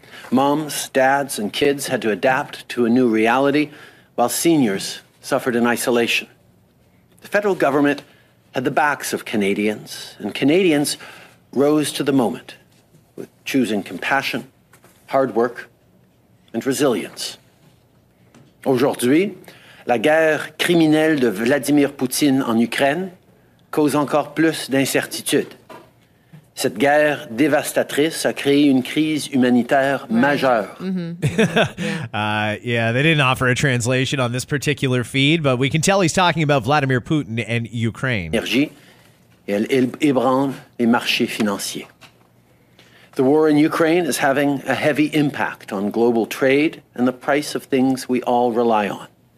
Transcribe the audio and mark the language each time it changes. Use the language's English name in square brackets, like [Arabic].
[English] Moms, dads, and kids had to adapt to a new reality, while seniors suffered in isolation. The federal government had the backs of Canadians, and Canadians rose to the moment, with choosing compassion, hard work, and resilience. [French] Aujourd'hui, la guerre criminelle de Vladimir Poutine en Ukraine cause encore plus d'incertitudes. Cette guerre dévastatrice a créé une crise humanitaire majeure. [English] They didn't offer a translation on this particular feed, but we can tell he's talking about Vladimir Putin and Ukraine. [French] Et elle ébranle les marchés financiers. [English] The war in Ukraine is having a heavy impact on global trade and the price of things we all rely on.